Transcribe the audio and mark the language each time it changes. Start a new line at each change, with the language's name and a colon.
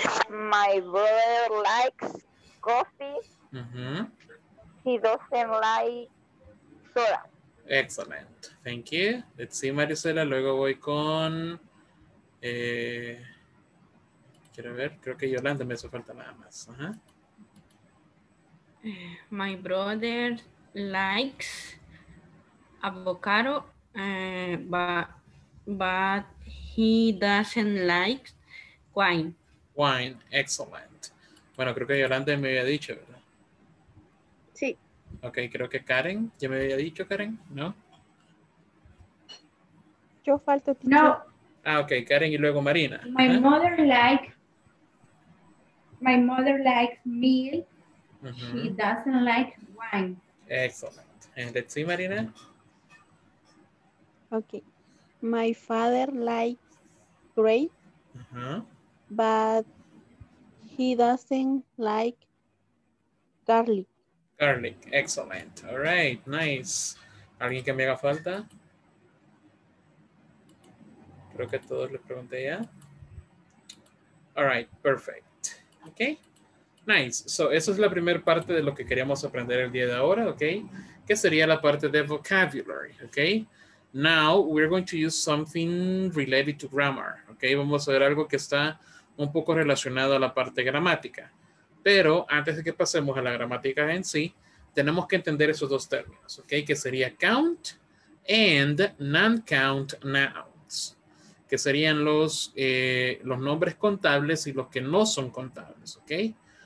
English: My brother likes coffee. He doesn't like soda. Excellent. Thank you. Let's see, Marisela,
Spanish: luego voy con... quiero ver, creo que Yolanda me hace falta nada más.
English: My brother likes avocado, but he doesn't like wine. Wine, excellent.
Spanish: Bueno, creo que Yolanda me había dicho, ¿verdad? Sí. Ok, creo que Karen, ¿ya me había dicho Karen? ¿No? Yo falto tiempo. No. Ah, ok, Karen y luego Marina.
English: My mother likes meal. She doesn't like wine. Excellent. And let's see, Marina. Ok. My father likes grape, but he doesn't like garlic. Garlic, excellent. All right, nice.
Spanish: ¿Alguien que me haga falta? Creo que a todos les pregunté ya.
English: All right, perfect. Okay, nice.
Spanish: So, eso es la primera parte de lo que queríamos aprender el día de ahora, okay? ¿Qué sería la parte de vocabulary, okay?
English: Now, we're going to use something related to grammar, okay?
Spanish: Vamos a ver algo que está un poco relacionado a la parte gramática. Pero antes de que pasemos a la gramática en sí, tenemos que entender esos dos términos, okay? Que sería
English: count and non-count nouns,
Spanish: que serían los nombres contables y los que no son contables, okay?